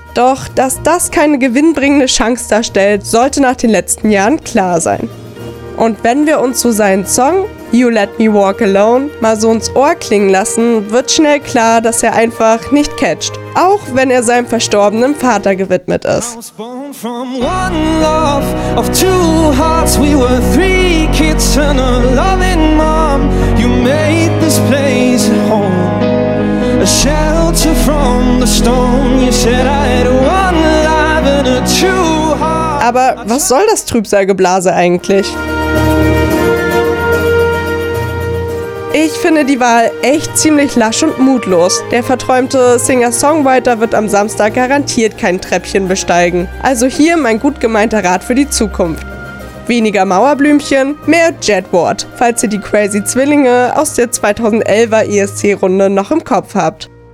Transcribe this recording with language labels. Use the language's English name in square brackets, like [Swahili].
[German] Doch dass das keine gewinnbringende Chance darstellt, sollte nach den letzten Jahren klar sein. Und wenn wir uns so seinen Song You Let Me Walk Alone mal so ins Ohr klingen lassen, wird schnell klar, dass er einfach nicht catcht. Auch wenn er seinem verstorbenen Vater gewidmet ist. [English] I was born from one love of two hearts. We were three kids and a loving mom. You made this place a home, a shelter from the storm. You said I had one life and a two hearts. [German] Aber was soll das Trübsalgeblase eigentlich? Ich finde die Wahl echt ziemlich lasch und mutlos. Der verträumte Singer-Songwriter wird am Samstag garantiert kein Treppchen besteigen. Also hier mein gut gemeinter Rat für die Zukunft. Weniger Mauerblümchen, mehr Jedward, falls ihr die Crazy Zwillinge aus der 2011er ESC-Runde noch im Kopf habt.